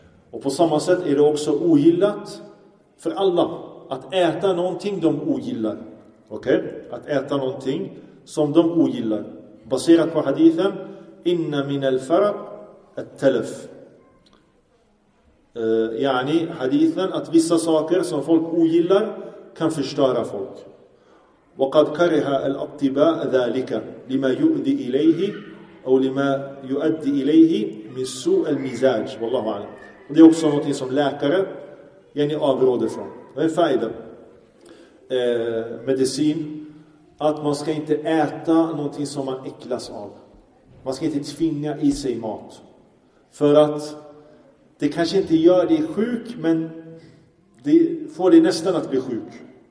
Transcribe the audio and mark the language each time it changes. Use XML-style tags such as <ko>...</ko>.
<sv>Och på samma sätt är det också ogillat för alla att äta någonting de ogillar. Okej? Att äta någonting som de ogillar. Baserat på hadithen,</sv> <ar>inna min al-farab at-talaf.</ar> <sv>Yani hadithen att vissa saker som folk ogillar kan förstöra folk.</sv> <ar>وقد كره الاطباء ذلك لما يؤدي اليه او لما يؤدي اليه من سوء المزاج والله اعلم.</ar> <sv>Det är också något som läkare yani avråder från. Vad är fayda? Medicin, att man ska inte äta någonting som man äcklas av. Man ska inte tvinga i sig mat. För att det kanske inte gör dig sjuk, men det får dig nästan att bli sjuk.</sv>